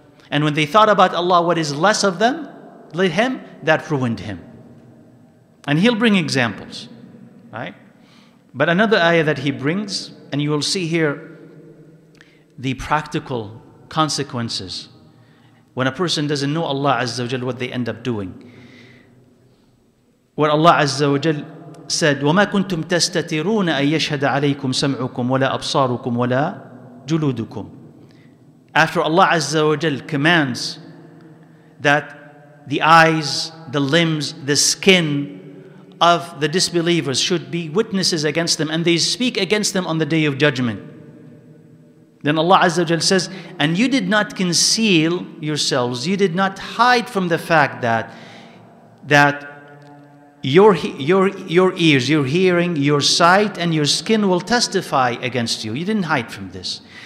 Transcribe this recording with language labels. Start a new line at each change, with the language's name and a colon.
English: And when they thought about Allah what is less of them, Him, that ruined Him. And He'll bring examples, right? But another ayah that He brings, and you will see here the practical consequences when a person doesn't know Allah Azza wa Jal, what they end up doing. What Allah Azza wa Jal said,
Arabic: وَمَا كُنْتُمْ تَسْتَتِرُونَ أَن يَشْهَدَ عَلَيْكُمْ سَمْعُكُمْ وَلَا أَبْصَارُكُمْ وَلَا جُلُودُكُمْ.
English: After Allah Azza wa Jal commands that the eyes, the limbs, the skin of the disbelievers should be witnesses against them, and they speak against them on the Day of Judgment, then Allah Azza wa Jal says, and you did not conceal yourselves, you did not hide from the fact that your ears, your hearing, your sight, and your skin will testify against you. You didn't hide from this.